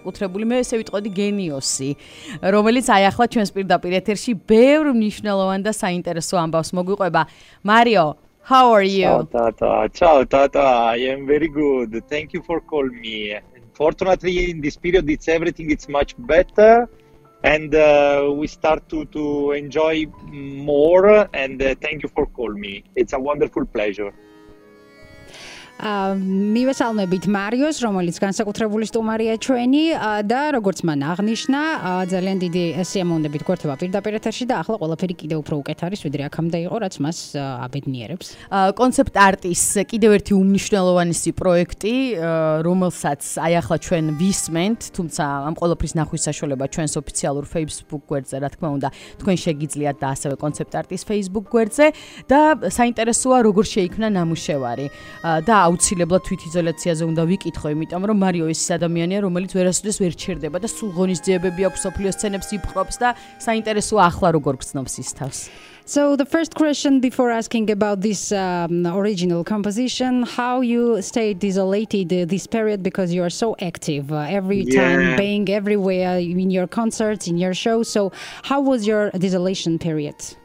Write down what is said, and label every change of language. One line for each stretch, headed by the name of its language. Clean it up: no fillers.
Georgian: Საკუთრებული მე ესე ვიტყოდი გენიოსი რომელიც აი ახლა ჩვენს პირდაპირ ეთერში ბევრ მნიშვნელოვან და საინტერესო ამბავს მოგვიყვება მარიო
English: how are you tata ciao tata I am very good thank you for call me fortunately in this period it's everything it's much better and we start to enjoy more and thank you for call me it's a wonderful pleasure
Georgian: მივესალმებით მარიოს, რომელიც განსაკუთრებული სტუმარია ჩვენი და როგორც მან აღნიშნა, ძალიან დიდი სიამოვნებით გვერთვება პირდაპირ ეთერში და ახლა ყველაფერი კიდევ უფრო უკეთ არის, ვიდრე აქამდე იყო, რაც მას აბედნიერებს. კონცეპტ არტის კიდევ ერთი უმნიშვნელოვანესი პროექტი, რომელსაც აი ახლა ჩვენ ვისმენთ, თუმცა ამ ყველაფრის ნახვის საშუალება ჩვენს ოფიციალურ Facebook გვერდზე, რა თქმა უნდა, თქვენ შეგიძლიათ და ასევე კონცეპტ არტის Facebook გვერდზე და საინტერესოა როგორ შეიქმნა ნამუშევარი. და აუცილებლად თვითიზოლაციაზე უნდა ვიკითხო, იმიტომ რომ მარიო ის ადამიანია, რომელიც ვერასოდეს ვერ ჩერდება და სულ ღონისძიებები აქვს ოფლიოს სცენებს იპყრობს და საინტერესო ახლა როგორ გწნობს ის თავს.
English: So the first question before asking about this original composition, how you stayed isolated this period because you are so active every time being everywhere in your concerts, in your shows. So how was your isolation period?